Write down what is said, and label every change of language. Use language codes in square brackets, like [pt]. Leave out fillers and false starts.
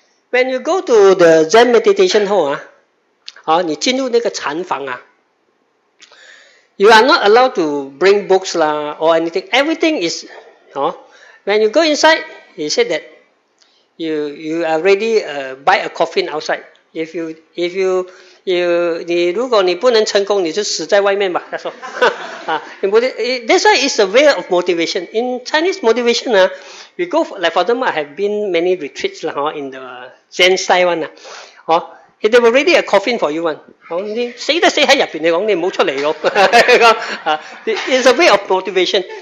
[en] When you go to the Zen meditation hall, [zh] 你进入那个禅房, [en] you are not allowed to bring books lah or anything. Everything is, when you go inside, he said that, you already buy a coffin outside. If you [zh] 如果你不能成功，你就死在外面吧。他说， [en] That's why it's a way of motivation. In Chinese motivation, we go for, like for them, I have been many retreats lah, in the Zen style one. Oh, they were ready a coffin for you one. It's a way of motivation.